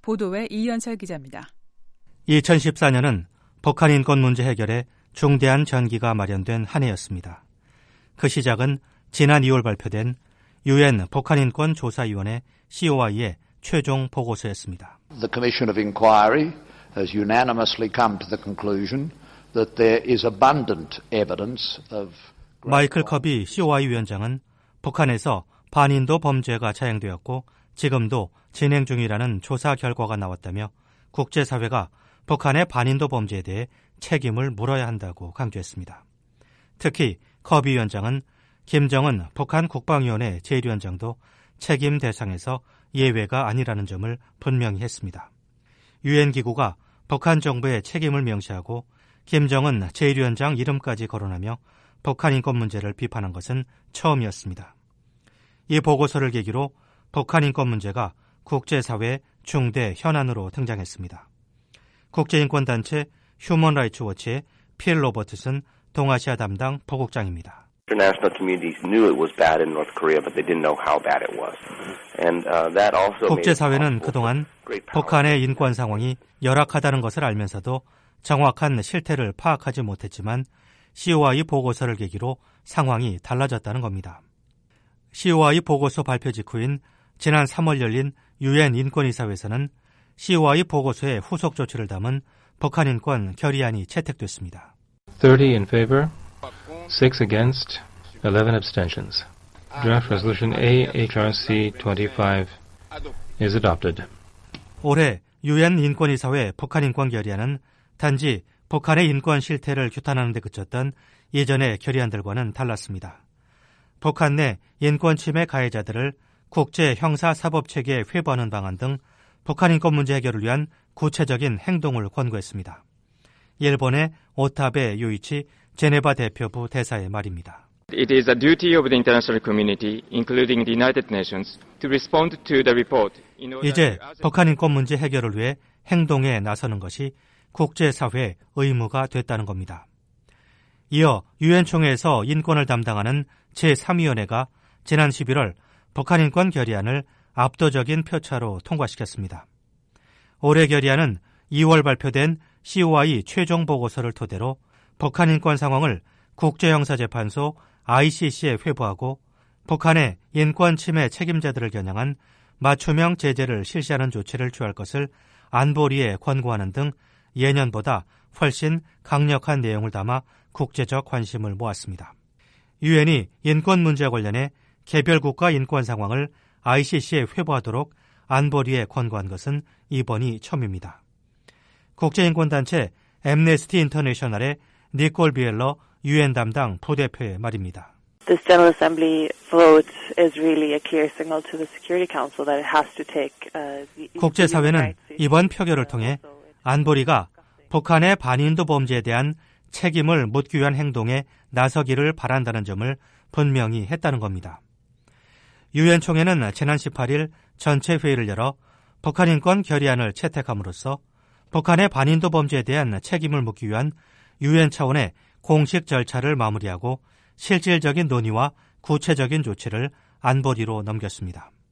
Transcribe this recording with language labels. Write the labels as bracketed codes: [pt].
[ko] 보도에 이현철 기자입니다. 2014년은 북한 인권 문제 해결에 중대한 전기가 마련된 한 해였습니다. 그 시작은 지난 2월 발표된 UN 북한인권조사위원회 COI의 최종 보고서였습니다. [en] The Commission of Inquiry has unanimously come to the conclusion that there is abundant evidence of [ko] 마이클 커비 COI 위원장은 북한에서 반인도 범죄가 자행되었고 지금도 진행 중이라는 조사 결과가 나왔다며 국제사회가 북한의 반인도 범죄에 대해 책임을 물어야 한다고 강조했습니다. 특히 커비 위원장은 김정은 북한 국방위원회 제1위원장도 책임 대상에서 예외가 아니라는 점을 분명히 했습니다. 유엔기구가 북한 정부의 책임을 명시하고 김정은 제1위원장 이름까지 거론하며 북한 인권 문제를 비판한 것은 처음이었습니다. 이 보고서를 계기로 북한 인권 문제가 국제사회 중대 현안으로 등장했습니다. 국제인권단체 휴먼라이츠워치의 필 로버트슨 동아시아 담당 보고국장입니다. [en] International communities knew it was bad in North Korea, but they didn't know how bad it was. And that also [ko] 국제사회는 그동안 북한의 인권 상황이 열악하다는 것을 알면서도 정확한 실태를 파악하지 못했지만 COI 보고서를 계기로 상황이 달라졌다는 겁니다. COI 보고서 발표 직후인 지난 3월 열린 유엔 인권이사회에서는 COI 보고서의 후속 조치를 담은 북한 인권 결의안이 채택됐습니다. [en] 30 in favor. 6 against, 11 abstentions. Draft resolution AHRC 25 is adopted. [ko] 올해 유엔 인권이사회 북한인권결의안은 단지 북한의 인권 실태를 규탄하는 데 그쳤던 이전의 결의안들과는 달랐습니다. 북한 내 인권 침해 가해자들을 국제 형사사법체계에 회부하는 방안 등 북한인권 문제 해결을 위한 구체적인 행동을 권고했습니다. 일본의 오타베 요이치 제네바 대표부 대사의 말입니다. [en] It is a duty of the international community, including the United Nations, to respond to the report. [ko] 이제 북한 인권 문제 해결을 위해 행동에 나서는 것이 국제사회의 의무가 됐다는 겁니다. 이어 유엔 총회에서 인권을 담당하는 제3위원회가 지난 11월 북한 인권 결의안을 압도적인 표차로 통과시켰습니다. 올해 결의안은 2월 발표된 COI 최종 보고서를 토대로 북한 인권 상황을 국제형사재판소 ICC에 회부하고 북한의 인권 침해 책임자들을 겨냥한 맞춤형 제재를 실시하는 조치를 취할 것을 안보리에 권고하는 등 예년보다 훨씬 강력한 내용을 담아 국제적 관심을 모았습니다. 유엔이 인권 문제와 관련해 개별 국가 인권 상황을 ICC에 회부하도록 안보리에 권고한 것은 이번이 처음입니다. 국제인권단체 앰네스티 인터내셔널의 니콜 비엘러 유엔 담당 부대표의 말입니다. [en] This General Assembly vote is really a clear signal to the Security Council that it has to take. [ko] 국제사회는 이번 표결을 통해 안보리가 북한의 반인도 범죄에 대한 책임을 묻기 위한 행동에 나서기를 바란다는 점을 분명히 했다는 겁니다. 유엔 총회는 지난 18일 전체 회의를 열어 북한 인권 결의안을 채택함으로써 북한의 반인도 범죄에 대한 책임을 묻기 위한 유엔 차원의 공식 절차를 마무리하고 실질적인 논의와 구체적인 조치를 안보리로 넘겼습니다.